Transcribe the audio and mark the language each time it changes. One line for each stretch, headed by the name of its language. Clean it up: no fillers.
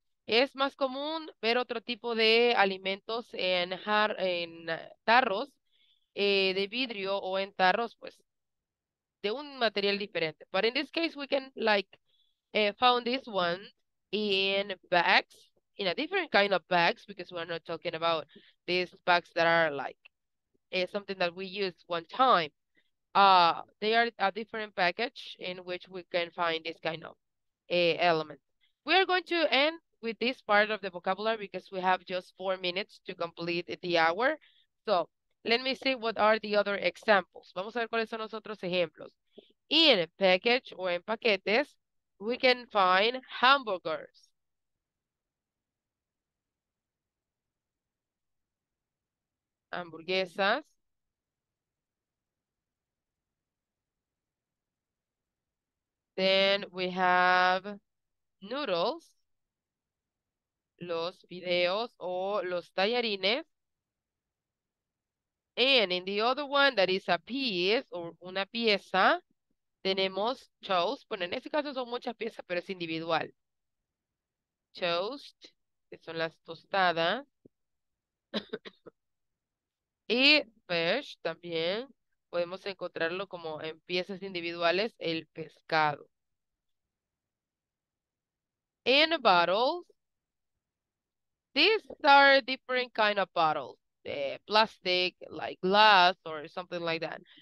Spanish: Es más común ver otro tipo de alimentos en tarros de vidrio o en tarros, pues, de un material diferente.
English: But in this case, we can, like, found this one in bags, in a different kind of bags, because we're not talking about these bags that are, like, something that we use one time. They are a different package in which we can find this kind of element. We are going to end with this part of the vocabulary because we have just 4 minutes to complete the hour. So, let me see what are the other examples.
Spanish: Vamos a ver cuáles son los otros ejemplos.
English: In package or
Spanish: en paquetes,
English: we can find hamburgers.
Spanish: Hamburguesas.
English: Then we have noodles.
Spanish: Los videos o los tallarines.
English: And in the other one that is a piece or
Spanish: una pieza, tenemos
English: toast.
Spanish: Bueno, en este caso son muchas piezas, pero es individual. Toast, que son las tostadas. Y fish también. Podemos encontrarlo como en piezas individuales, el pescado.
English: And bottles. These are different kind of bottles, plastic, like glass or something like that.